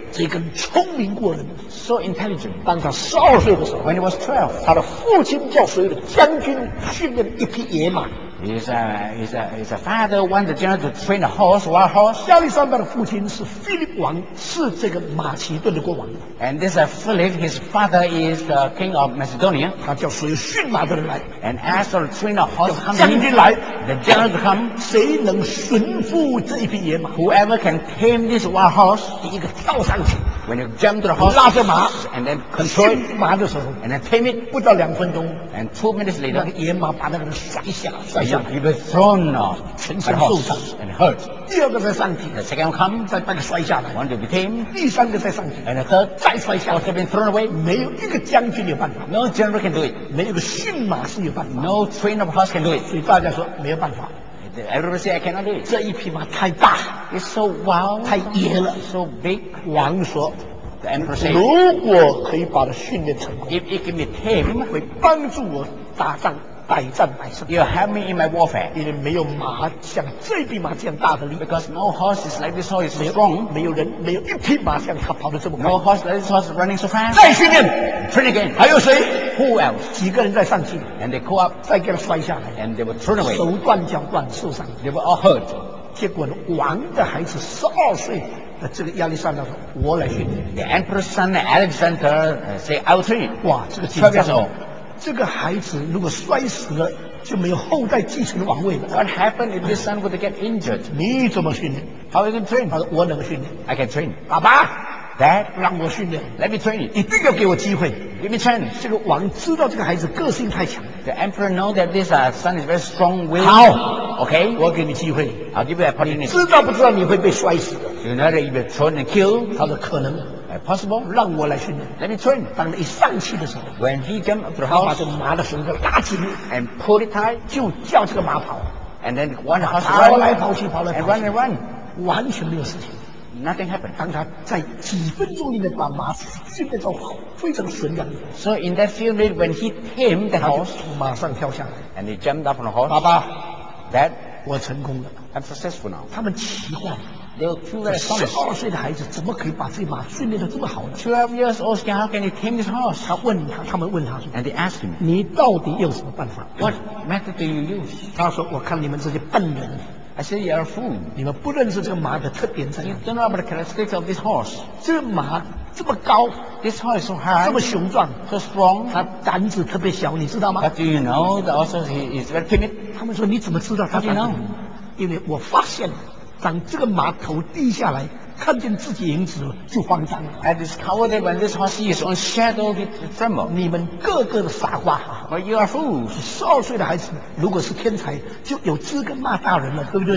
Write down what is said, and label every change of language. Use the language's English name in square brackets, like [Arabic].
[Chinese] 这个人聪明过人。 [English] So intelligent. [Chinese] 当他12岁的时候 [English] ，When he was 12, [Chinese] 他的父亲叫所有的将军训练一匹野马。 [English] His father wanted the general to train a horse, wild horse. [Chinese] 亚历山大的父亲是菲利王，是这个马其顿的国王。 [English] And this Philip, his father is the king of Macedonia. [Chinese] 他叫所有驯马的人来。 [English] And asked to train a horse. [Chinese] 叫将军来。 [English] The general to come. [Chinese] 谁能驯服这一匹野马 [English] ？Whoever can tame this wild horse. [Chinese] 第一个跳上去。 [English] When you jump to the horse, [Chinese] 拉着马 [English] ，and then control [Chinese] 驯马的时候 [English] ，and then tame it. [Chinese] 不到两分钟 [English] ，and 2 minutes later, [Chinese] 那个野马把那个人甩下了。 [English] He was thrown off, [Chinese] 全身受伤 [English] and hurt. [Chinese] 第二个再上去 [English] ，the second come, [Chinese] 再把他摔下来 [English] ，one to be tame. [Chinese] 第三个再上去 [English] ，and the third [Chinese] 再摔下来 [English] ，or been thrown away. [Chinese] 没有一个将军有办法 [English] ，no general can do it. [Chinese] 没有个驯马师有办法 [English] ，no train of horse can do it. [Chinese] 所以大家说没有办法 [English] ，everybody say I cannot do it. [Chinese] 这一匹马太大 [English] ，it's so wild, [Chinese] 太野了 [English] ，so big. [Chinese] 王说。 [English] The emperor said, [Chinese] 如果可以把它训练成功 [English] ，if it can be tame, [Chinese] 会帮助我打仗。百战百胜。 [English] You help me in my warfare. [Chinese] 因为没有马像这匹马这样大的力。 [English] Because no horse is like this horse is strong. [Chinese] 没有一匹马像他跑得这么快。 [English] No horse like this horse is running so fast. [Chinese] 再训练。 [English] Train again. [Chinese] 还有谁 [English] ？Who else? [Chinese] 几个人在上去 [English] ？And they go up. [Chinese] 再给他摔下来。 [English] And they were thrown away. [Chinese] 手断脚断受伤。 [English] They were all hurt. [Chinese] 结果呢，王的孩子12岁。这个亚历山大说：“我来训练。 [English] ”The emperor's son Alexander say, "I will train." [Chinese] 哇，这个紧张。这个孩子如果摔死了，就没有后代继承王位了。 [English] What happened if this son would get injured? [Chinese] 你怎么训练 [English] ？How you can train? [Chinese] 他说我能训练。 [English] I can train. [Chinese] 爸爸 [English] ，Dad， [Chinese] 让我训练。 [English] Let me train you. [Chinese] 一定要给我机会。 [English] Give me chance. [Chinese] 这个王知道这个孩子个性太强。 [English] The emperor know that this son is very strong will. [Chinese] 好 [English] ，OK， [Chinese] 我给你机会。 [English] I'll give you an opportunity. [Chinese] 知道不知道你会被摔死 [English] ？You know that you will be thrown and killed. [Chinese] 他说可能。 [English] Possible? [Chinese] 让我来训练。 [English] Let me train. [Chinese] 当他一上去的时候 [English] ，When he jump up the horse, [Chinese] 他把这马的绳子拉紧 [English] ，and pull it tight, [Chinese] 就叫这个马跑。 [English] And then one horse [Chinese] run. 跑来跑去，跑来跑去。 [English] And run and run. [Chinese] 完全没有事情。 [English] Nothing happened. [Chinese] 当他在几分钟里面把马训练到非常顺畅。 [English] So in that few minutes, when he tame the horse, [Chinese] 他马上跳下来。 [English] And he jumped up on the horse. [Chinese] 爸爸 [English] ，Dad， [Chinese] 我成功了。 [English] I'm successful now. [Chinese] 他们奇怪。 12岁的孩子怎么可以把这马训练得这么好呢 [English] ？12 years old, how can he tame this horse? [Chinese] 他问他，他们问他说 [English] ，And they asked him, [Chinese] 你到底用什么办法 [English] ？What method do you use? [Chinese] 他说，我看你们这些笨人 [English] ，I said you are fool. [Chinese] 你们不认识这个马的特点在哪 [English] ？You don't know about the characteristics of this horse. [Chinese] 这马这么高 [English] ，This horse is so high, [Chinese] 这么雄壮 [English] ，so strong. [Chinese] 他胆子特别小，你知道吗 [English] ？But do you know that also he is very timid? [Chinese] 他们说你怎么知道他 [English] ？How do you know? [Chinese] 因为我发现了。当这个马头低下来，看见自己影子了，就慌张了。 [English] And it's cowardly when this horse is on shadow with tremble. [Chinese] 你们个个的傻瓜。 [English] But you are fools. [Chinese] 12岁的孩子，如果是天才，就有资格骂大人了，对不对